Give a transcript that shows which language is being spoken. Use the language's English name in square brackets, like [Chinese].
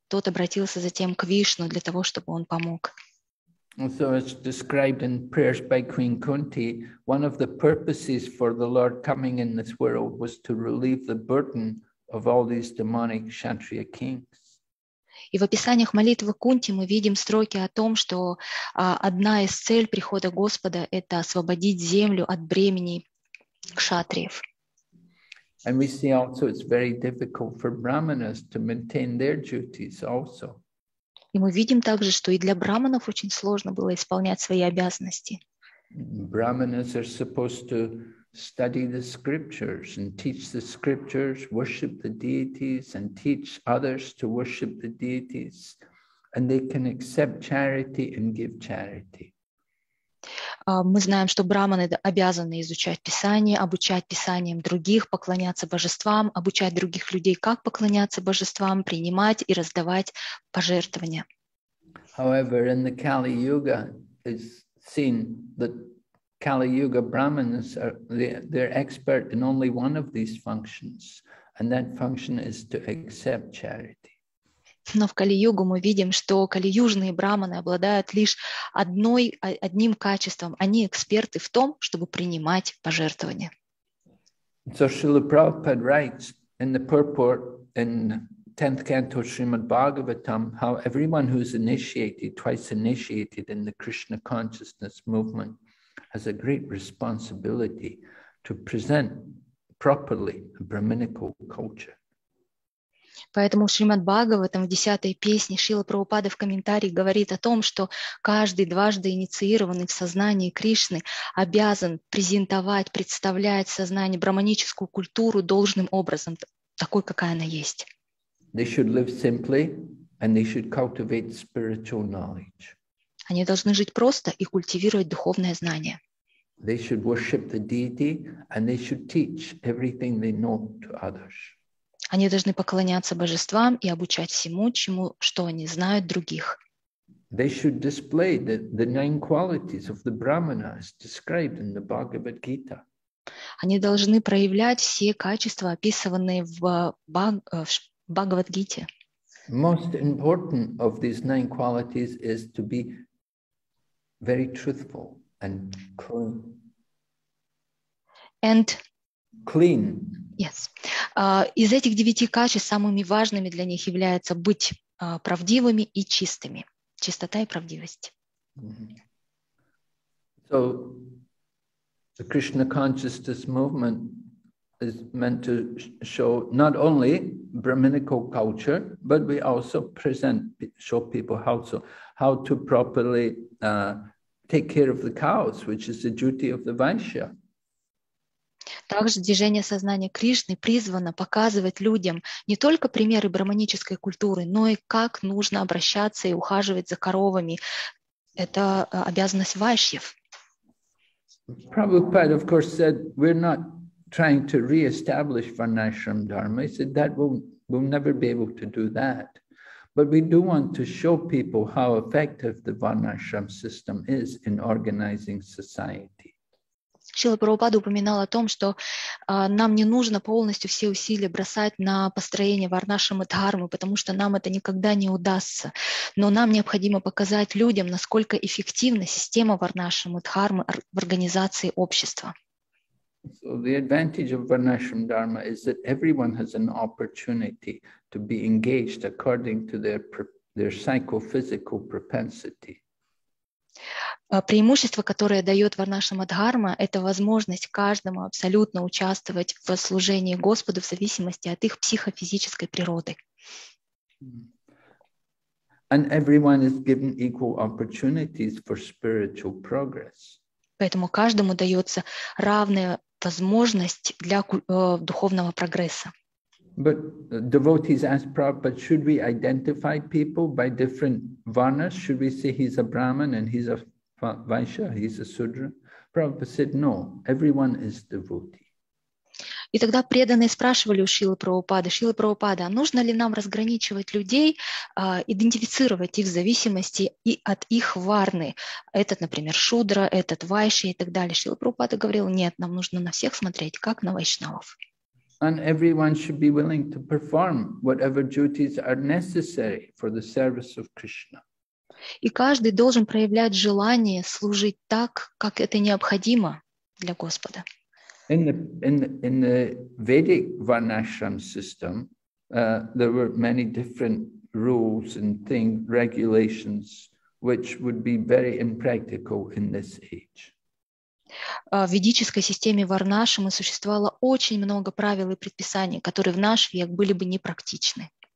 [Russian] Тот обратился затем к Вишну для того, чтобы он помог. [English] So it's described in prayers by Queen Kunti, one of the purposes for the Lord coming in this world was to relieve the burden of all these demonic Kshatriya kings. [Russian] И в описаниях молитвы Кунти мы видим строки о том, что одна из целей прихода Господа — это освободить землю от бремени кшатриев. [English] And we see also it's very difficult for brahmanas to maintain their duties also. [Russian] И мы видим также, что и для браманов очень сложно было исполнять свои обязанности. [English] Brahmanas are supposed to study the scriptures and teach the scriptures, worship the deities and teach others to worship the deities, and they can accept charity and give charity. [Russian] Мы знаем, что браманы обязаны изучать Писание, обучать Писаниям других, поклоняться божествам, обучать других людей, как поклоняться божествам, принимать и раздавать пожертвования. [English] However, in the Kali Yuga, it's seen that Kali Yuga brahmanas they're expert in only one of these functions, and that function is to accept charity. [Russian] Но в Кали-Югу мы видим, что калиюжные браманы обладают лишь одним качеством. Они эксперты в том, чтобы принимать пожертвования. [English] So Srila Prabhupada writes in the purport in 10th canto Srimad Bhagavatam how everyone who's initiated, twice initiated in the Krishna consciousness movement has a great responsibility to present properly a brahminical culture. [Russian] Поэтому Шримад Бхагаватам в 10-й песне Шрила Прабхупада в комментарии говорит о том, что каждый дважды инициированный в сознании Кришны обязан презентовать, представлять в сознании брахманическую культуру должным образом, такой, какая она есть. [English] They should live simply and they should cultivate spiritual knowledge. [Russian] Они должны жить просто и культивировать духовное знание. [English] They should worship the deity and they should teach everything they know to others. [Russian] Они должны поклоняться божествам и обучать всему, чему, что они знают, других. [English] They should display the nine qualities of the brahmana as described in the Bhagavad Gita. [Russian] Они должны проявлять все качества, описанные в Бхагавад Гите. [English] Most important of these nine qualities is to be very truthful and clean. And clean. Yes. [Russian] Из этих девяти качеств самыми важными для них является быть правдивыми и чистыми. Чистота и правдивость. Mm-hmm. [English] So the Krishna consciousness movement is meant to show not only Brahminical culture, but we also present, show people how to properly take care of the cows, which is the duty of the Vaishya. [Russian] Также движение сознания Кришны призвано показывать людям не только примеры брахманической культуры, но и как нужно обращаться и ухаживать за коровами. Это обязанность вайшьев. [English] Prabhupada, of course, said we're not trying to re-establish Varnashram Dharma. He said that we'll never be able to do that. But we do want to show people how effective the Varnashram system is in organizing society. [Russian] Шрила Прабхупада упоминал о том, что нам не нужно полностью все усилия бросать на построение варнашрама дхармы, потому что нам это никогда не удастся. Но нам необходимо показать людям, насколько эффективна система варнашрама дхармы в организации общества. [English] So the advantage of varnashram dharma is that everyone has an opportunity to be engaged according to their psychophysical propensity. [Russian] Преимущество, которое дает варнашрама дхарма, это возможность каждому абсолютно участвовать в служении Господу в зависимости от их психофизической природы. [English] And everyone is given equal opportunities for spiritual progress. [Russian] Поэтому каждому дается равная возможность для духовного прогресса. [English] But devotees ask Prabhupada, should we identify people by different varnas? Should we say he's a Brahman and he's a Vaishya, he's a Sudra? Prabhupada said, no, everyone is devotee. [Russian] И тогда преданные спрашивали у Шрилы Прабхупады, Шрила Прабхупада, нужно ли нам разграничивать людей, идентифицировать их в зависимости и от их варны? Этот, например, Шудра, этот Вайши и так далее. Шрила Прабхупада говорил, нет, нам нужно на всех смотреть, как на вайшнавов. [English] And everyone should be willing to perform whatever duties are necessary for the service of Krishna. [Russian] И каждый должен проявлять желание служить так, как это необходимо для Господа. [English] In the Vedic Varnashram system, there were many different rules and things, regulations, which would be very impractical in this age. [Russian] В ведической системе Варнашрама существовало очень много правил и предписаний, которые в наш век были бы непрактичны.